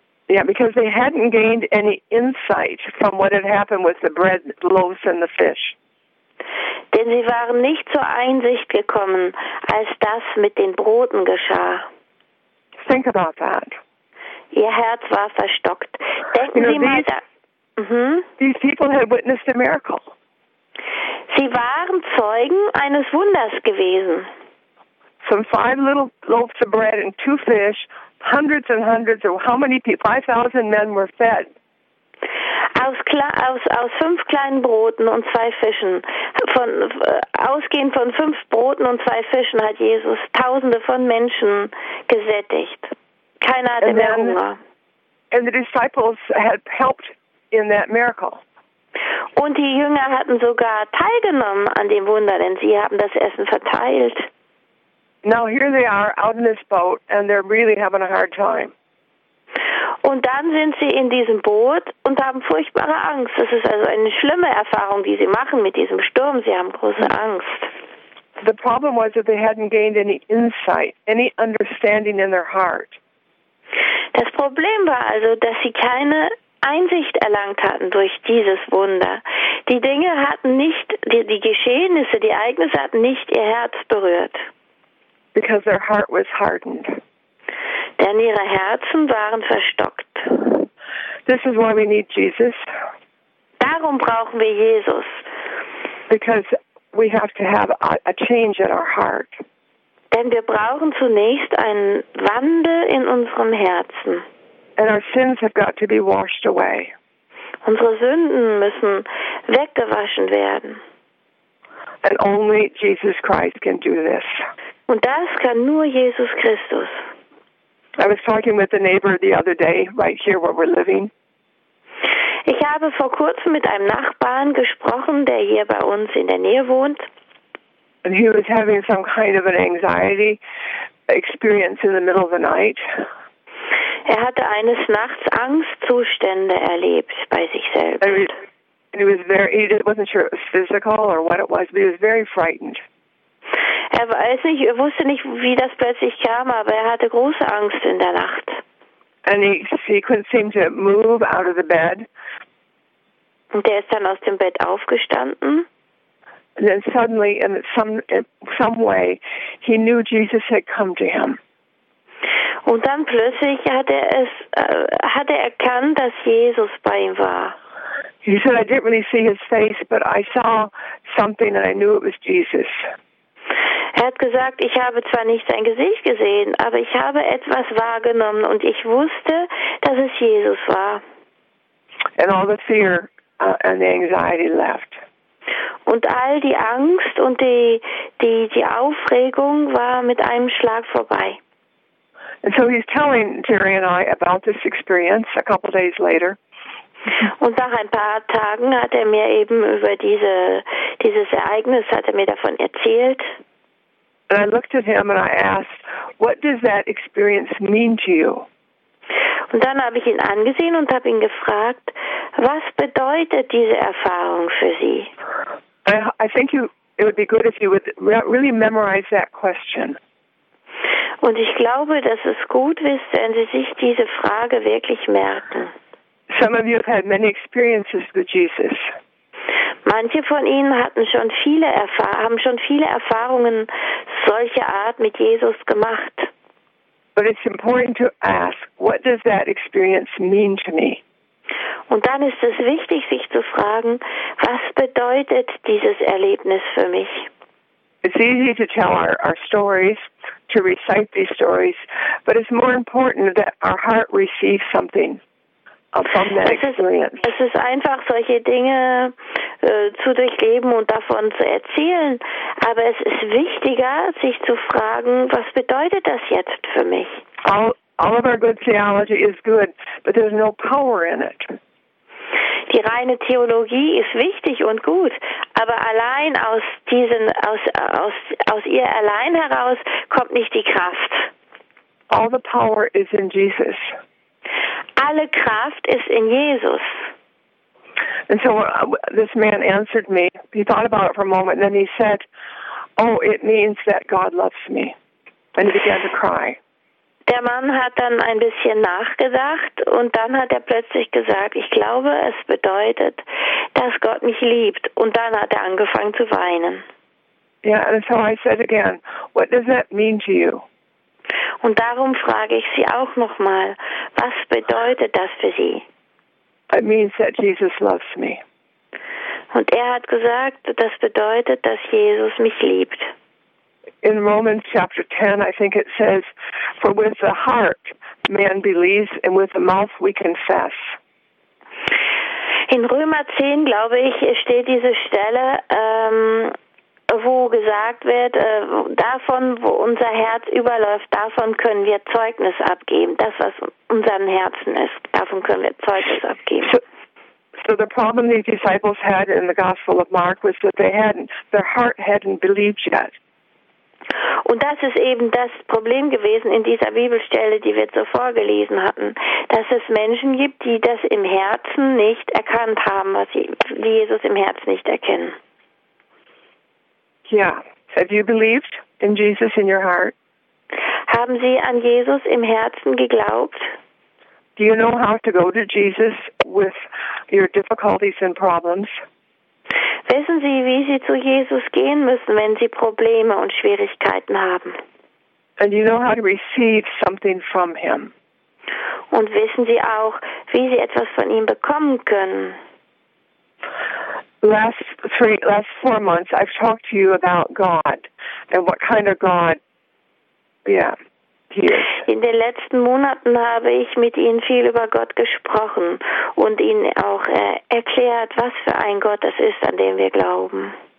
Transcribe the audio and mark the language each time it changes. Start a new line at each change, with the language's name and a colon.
English: Yeah, because they hadn't gained any insight from what had happened with the bread, the loaves and the fish.
German: Denn sie waren nicht zur Einsicht gekommen, als das mit den Broten geschah.
English: Think about that.
German: Ihr Herz war verstockt. Denken Sie mal da.
English: Mm-hmm. These people had witnessed a miracle.
German: Sie waren Zeugen eines Wunders gewesen.
English: Some five little loaves of bread and two fish. Hundreds and hundreds of how many people? 5,000 men were fed.
German: Aus fünf kleinen Broten und zwei Fischen. Ausgehend von fünf Broten und zwei Fischen hat Jesus Tausende von Menschen gesättigt. Keiner hatte mehr Hunger.
English: And the disciples had helped in that miracle.
German: Und die Jünger hatten sogar teilgenommen an dem Wunder, denn sie haben das Essen verteilt.
English: Now here they are out in this boat and they're really having a hard time.
German: Und dann sind sie in diesem Boot und haben furchtbare Angst. Das ist also eine schlimme Erfahrung, die sie machen mit diesem Sturm. Sie haben große Angst.
English: The problem was that they hadn't gained any insight, any understanding in their heart.
German: Das Problem war also, dass sie keine Einsicht erlangt hatten durch dieses Wunder. Die Dinge hatten nicht, die Geschehnisse, die Ereignisse hatten nicht ihr Herz berührt.
English: Because their heart was hardened.
German: Denn ihre Herzen waren verstockt.
English: This is why we need Jesus.
German: Darum brauchen wir Jesus.
English: Because we have to have a change in our heart.
German: Denn wir brauchen zunächst einen Wandel in unserem Herzen.
English: And our sins have got to be washed away.
German: Unsere Sünden müssen weggewaschen werden.
English: And only Jesus Christ can do this.
German: Und das kann nur Jesus Christus.
English: I was talking with a neighbor the other day, right here where we're living.
German: Ich habe vor kurzem mit einem Nachbarn gesprochen, der hier bei uns in der Nähe wohnt.
English: And he was having some kind of an anxiety experience in the middle of the night.
German: Er hatte eines Nachts Angstzustände erlebt bei sich selbst.
English: And he was wasn't sure it was physical or what it was, but he was very frightened.
German: Er weiß nicht, er wusste nicht, wie das plötzlich kam, aber er hatte große Angst in der Nacht.
English: And he couldn't seem to move out of the bed.
German: Und er ist dann aus dem Bett aufgestanden.
English: And then suddenly, in some way, he knew Jesus had come to him.
German: Und dann plötzlich hatte er erkannt, dass Jesus bei ihm war.
English: He said, I didn't really see his face, but I saw something and I knew it was Jesus.
German: Er hat gesagt, ich habe zwar nicht sein Gesicht gesehen, aber ich habe etwas wahrgenommen und ich wusste, dass es Jesus war.
English: And all the fear and the anxiety left.
German: Und all die Angst und die Aufregung war mit einem Schlag vorbei.
English: And so he's telling Jerry and I about this experience a couple days later.
German: Und nach ein paar Tagen hat er mir eben über dieses Ereignis, hat er mir davon erzählt.
English: And I looked at him and I asked, what does that experience mean to you?
German: Und dann habe ich ihn angesehen und habe ihn gefragt, was bedeutet diese Erfahrung für Sie?
English: I think it would be good if you would really memorize that question.
German: Und ich glaube, dass es gut ist, wenn Sie sich diese Frage wirklich merken.
English: Some of you have had many experiences with Jesus.
German: Manche von Ihnen haben schon viele Erfahrungen solcher Art mit Jesus gemacht.
English: But it's important to ask, what does that experience mean to me?
German: Und dann ist es wichtig, sich zu fragen, was bedeutet dieses Erlebnis für mich?
English: It's easy to tell our stories. to recite these stories, but it's more important that our heart receives something from that experience.
German: Es ist einfach, solche Dinge zu durchleben und davon zu erzählen, aber es ist wichtiger, sich zu fragen, was bedeutet das jetzt für mich?
English: All of our good theology is good, but there's no power in it.
German: Die reine Theologie ist wichtig und gut, aber allein aus ihr allein heraus kommt nicht die Kraft.
English: All the power is in Jesus.
German: Alle Kraft ist in Jesus.
English: And so this man answered me. He thought about it for a moment, and then he said, "Oh, it means that God loves me." And he began to cry.
German: Der Mann hat dann ein bisschen nachgedacht und dann hat er plötzlich gesagt, ich glaube, es bedeutet, dass Gott mich liebt. Und dann hat er angefangen zu weinen.
English: Yeah, and so I said again, what does that mean to you?
German: Und darum frage ich Sie auch nochmal, was bedeutet das für Sie?
English: It means that Jesus loves me.
German: Und er hat gesagt, das bedeutet, dass Jesus mich liebt.
English: In Romans chapter 10, I think it says, for with the heart man believes and with the mouth we confess.
German: In Römer 10, glaube ich, steht diese Stelle, wo gesagt wird, davon, wo unser Herz überläuft, davon können wir Zeugnis abgeben. Das, was unserem Herzen ist, davon können wir Zeugnis abgeben.
English: So the problem these disciples had in the Gospel of Mark was that they hadn't, their heart hadn't believed yet.
German: Und das ist eben das Problem gewesen in dieser Bibelstelle, die wir zuvor gelesen hatten, dass es Menschen gibt, die das im Herzen nicht erkannt haben, was sie, die Jesus im Herzen nicht erkennen. Ja, yeah.
English: Have you believed in Jesus in your heart?
German: Haben Sie an Jesus im Herzen geglaubt?
English: Do you know how to go to Jesus with your difficulties and problems?
German: Wissen Sie, wie Sie zu Jesus gehen müssen, wenn Sie Probleme und Schwierigkeiten haben?
English: And you know how to receive something from him.
German: Und wissen Sie auch, wie Sie etwas von ihm bekommen können?
English: Last 4 months, I've talked to you about God and what kind of God, yeah.
German: In den letzten Monaten habe ich mit Ihnen viel über Gott gesprochen und Ihnen auch erklärt, was für ein Gott es ist, an den wir glauben.